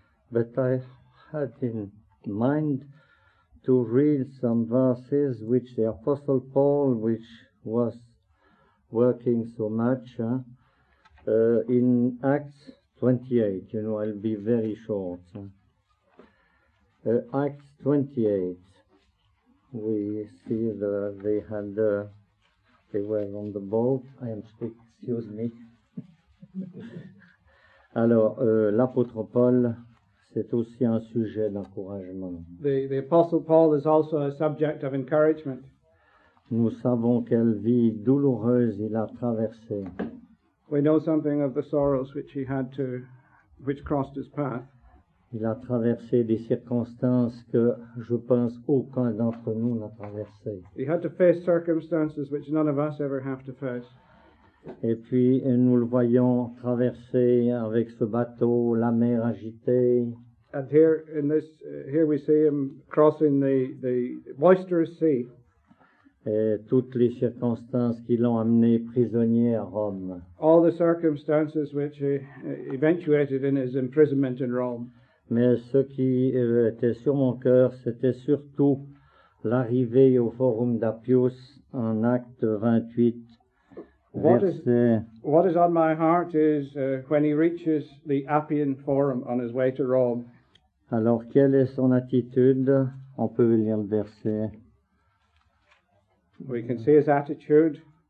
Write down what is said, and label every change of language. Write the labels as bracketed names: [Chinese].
[English] But I had in mind to read some verses which the Apostle Paul, which was working so much, in Acts 28. You know, I'll be very short. Acts 28. We see that they had, they were on the boat. I am speaking, excuse me. [French] Alors, l'apôtre Paul, c'est aussi un sujet d'encouragement. [English] The Apostle Paul is also a subject of encouragement. [French] Nous savons quelle vie douloureuse il a traversée. [English] We know something of the sorrows which he had to, which crossed his path. [French] Il a traversé des circonstances que je pense aucun d'entre nous n'a traversé. [English] He had to face circumstances which none of us ever have to face. [French] Et puis nous le voyons traverser avec ce bateau la mer agitée. [English] And here in this, here we see him crossing the boisterous sea. [French] Et toutes les circonstances qui l'ont amené prisonnier à Rome. [English] All the circumstances which eventuated in his imprisonment in Rome. [French] Mais ce qui était sur mon cœur, c'était surtout l'arrivée au Forum d'Appius en Acte 28. [English] What is on my heart is when he reaches the Appian Forum on his way to Rome. [French] Alors, quelle est son attitude? On peut lire le verset. [English] We can see his attitude.